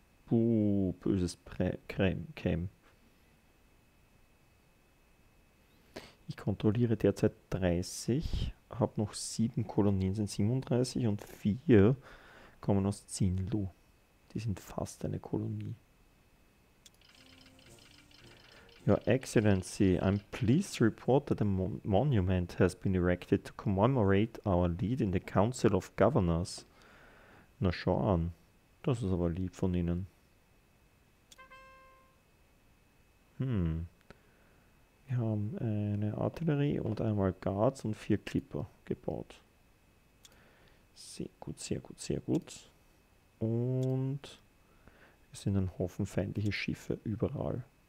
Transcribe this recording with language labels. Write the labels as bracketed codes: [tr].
[de] Buh, böses Creme. Ich kontrolliere derzeit 30, habe noch 7 Kolonien, sind 37 und 4 kommen aus Zindu. Die sind fast eine Kolonie. [en] Your Excellency, I'm pleased to report that a monument has been erected to commemorate our lead in the Council of Governors. [de] Na schau an, das ist aber lieb von Ihnen. Wir haben eine Artillerie und einmal Guards und 4 Clipper gebaut. Sehr gut, sehr gut, sehr gut. Und es sind ein Haufen feindliche Schiffe überall.